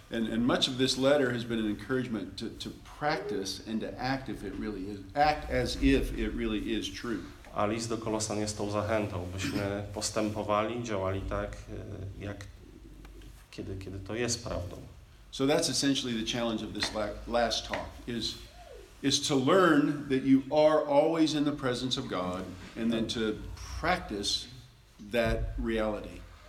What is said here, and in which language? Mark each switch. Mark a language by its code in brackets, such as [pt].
[en] And much of this letter has been an encouragement to practice and to act if it really is, act as if it really is true. [pl] A list do Kolosan jest tą zachętą, byśmy postępowali, działali tak, jak kiedy to jest prawdą. [en] So that's essentially the challenge of this last talk is to learn that you are always in the presence of God and then to practice that reality.